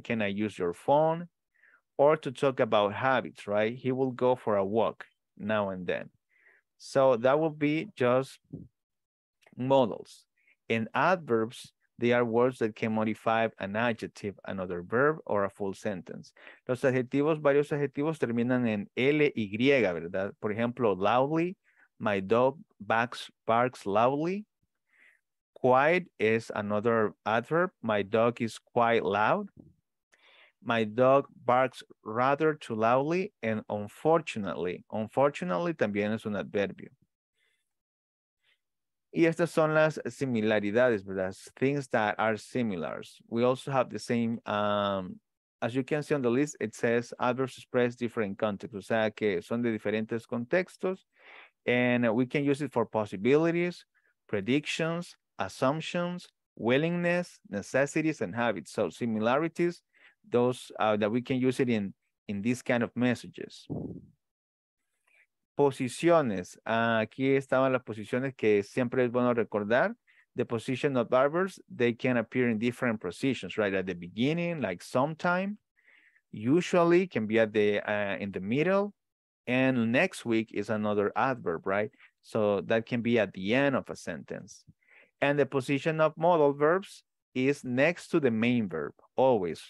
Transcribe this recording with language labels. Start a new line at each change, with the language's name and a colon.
English: Can I use your phone? Or to talk about habits, right? He will go for a walk now and then. So that would be just models. In adverbs, they are words that can modify an adjective, another verb, or a full sentence.
Spanish: Los adjetivos, varios adjetivos terminan en L, Y, ¿verdad? Por ejemplo,
English: loudly, my dog barks loudly. Quiet is another adverb. My dog is quite loud. My dog barks rather too loudly. And unfortunately, unfortunately
Spanish: también es un adverbio. Y estas son las similaridades, ¿verdad?
English: Things that are similar. We also have the same, as you can see on the list, it says adverbs express different contexts.
Spanish: O sea que son de diferentes contextos.
English: And we can use it for possibilities, predictions, assumptions, willingness, necessities, and habits. So similarities, those that we can use it in these kind of messages.
Spanish: Posiciones. Aquí estaban las posiciones que siempre es bueno recordar.
English: The position of adverbs, they can appear in different positions, right? At the beginning, like sometime. Usually can be at the in the middle. And next week is another adverb, right? So that can be at the end of a sentence. And the position of modal verbs is next to the main verb, always.